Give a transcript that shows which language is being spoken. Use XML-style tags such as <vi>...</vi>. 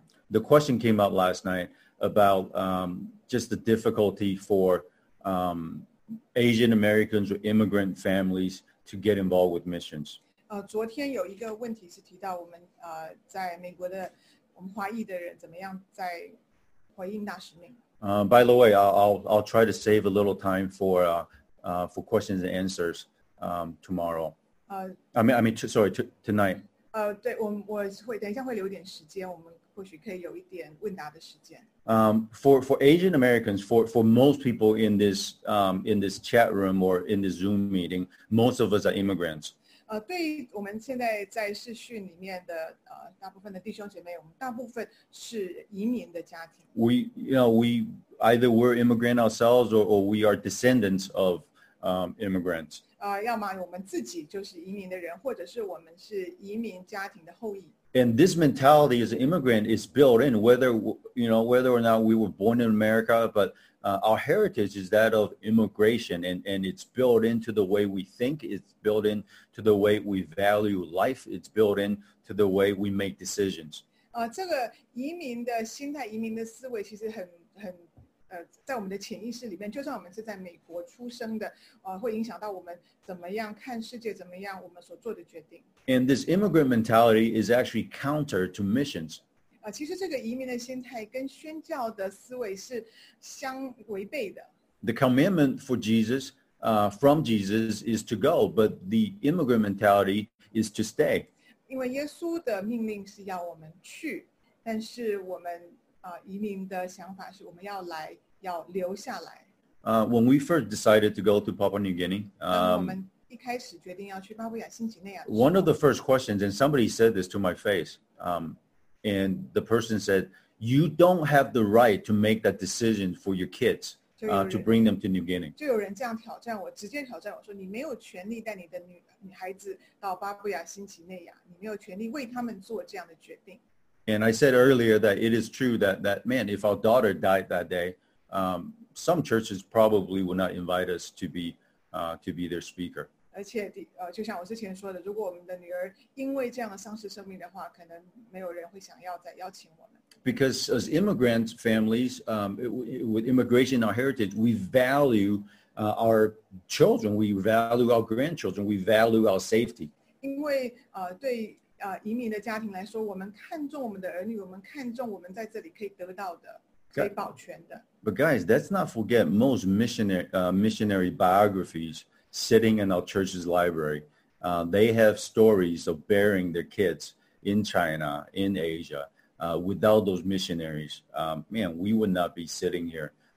<en>The question came up last night about just the difficulty for Asian Americans or immigrant families to get involved with missions.</en> <zh>昨天有一个问题是提到我们在美国的我们华裔的人怎么样在回应大使命。</zh> <en>By the way, I'll try to save a little time for questions and answers tomorrow. Tonight.</en> <zh>对，我会等一下会留点时间，我们或许可以有一点问答的时间。</zh> <en>For Asian Americans, for most people in this chat room or in this Zoom meeting, most of us are immigrants.</en> <zh>对于我们现在在视讯里面的大部分的弟兄姐妹，我们大部分是移民的家庭。</zh> <en>We either were immigrant ourselves or we are descendants of immigrants.</en> <zh>要么我们自己就是移民的人，或者是我们是移民家庭的后裔。</zh> <en>And this mentality as an immigrant is built in, whether or not we were born in America, but our heritage is that of immigration, and it's built into the way we think, it's built into the way we value life, it's built into the way we make decisions.</en> <zh>这个移民的心态，移民的思维其实很在我们的潜意识里面，就算我们是在美国出生的，会影响到我们怎么样看世界，怎么样我们所做的决定。</zh> <en>And this immigrant mentality is actually counter to missions.</en> <zh>其实这个移民的心态跟宣教的思维是相违背的。</zh> <en>The commandment for Jesus, from Jesus, is to go, but the immigrant mentality is to stay.</en> <zh>因为耶稣的命令是要我们去，但是我们移民的想法是我们要来，要留下来。</zh> <en>When we first decided to go to Papua New Guinea,</en> <zh>一开始决定要去巴布亚新几内亚。</zh> <en>One of the first questions, and somebody said this to my face, and the person said, "You don't have the right to make that decision for your kids, to bring them to New Guinea."</en> <zh>就有人这样挑战我，直接挑战我说，你没有权利带你的女孩子到巴布亚新几内亚，你没有权利为他们做这样的决定。</zh> <en>And I said earlier that it is true that man, if our daughter died that day, some churches probably would not invite us to be. To be their speaker.</en> <zh>而且就像我之前说的，如果我们的女儿因为这样的丧失生命的话，可能没有人会想要再邀请我们。</zh> <en>Because as immigrant families, with immigration in our heritage, we value our children, we value our grandchildren, we value our safety.</en> <zh>因为对移民的家庭来说，我们看重我们的儿女，我们看重我们在这里可以得到的，可以保全的。</zh> <en>But guys, let's not forget most missionary biographies sitting in our church's library. They have stories of burying their kids in China, in Asia. Without those missionaries, man, we would not be sitting here.</en>